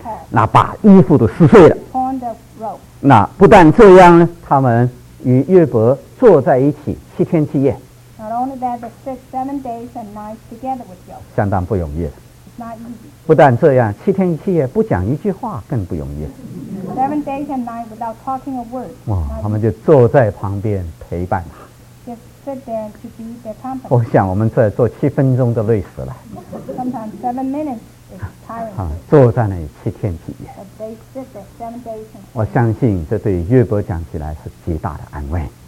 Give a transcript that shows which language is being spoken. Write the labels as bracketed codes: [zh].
[zh] 那把衣服都撕碎了。那不但这样呢，他们与约伯坐在一起七天七夜。 [en] Not only that, but six, 7 days and nights together with Job. [zh] 相当不容易。 [en] It's not easy. [zh] 不但这样，七天七夜不讲一句话更不容易。 [en] 7 days and nights without talking a word. [zh] 哇，他们就坐在旁边陪伴他。 [en] Just sit there to be their company. [zh] 我想我们在做七分钟都累死了。 [en] Sometimes 7 minutes is tiring. [zh] 坐在那里七天七夜。 [en] But they sit there 7 days and nights. [zh] 我相信这对约伯讲起来是极大的安慰。